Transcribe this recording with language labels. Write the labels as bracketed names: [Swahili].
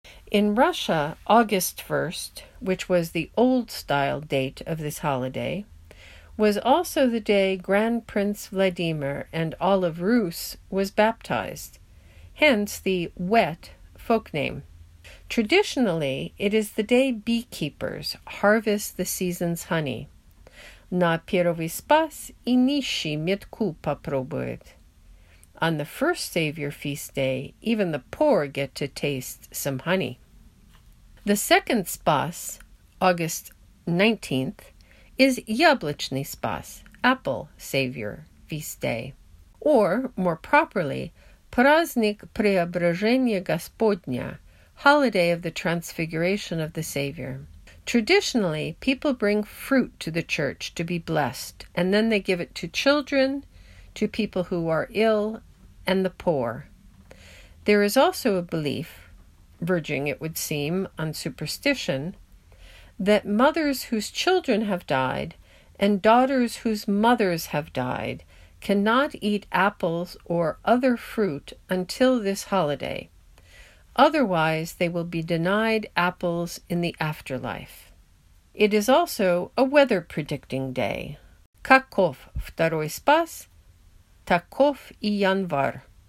[English] In Russia, August 1st, which was the old-style date of this holiday, was also the day Grand Prince Vladimir and all of Rus was baptized, hence the Wet folk name. Traditionally, it is the day beekeepers harvest the season's honey. [Russian] На первый спас и нищий метку попробует. [English] On the first Savior Feast Day, even the poor get to taste some honey. The second Spas, August 19th, is Yablochny Spas, Apple Savior Feast Day. Or, more properly, Праздник Преображения Господня, Holiday of the Transfiguration of the Savior. Traditionally, people bring fruit to the church to be blessed, and then they give it to children, to people who are ill, and the poor. There is also a belief, verging, it would seem, on superstition, that mothers whose children have died and daughters whose mothers have died cannot eat apples or other fruit until this holiday. Otherwise, they will be denied apples in the afterlife. It is also a weather-predicting day. [Russian] Каков второй спас, таков и январь.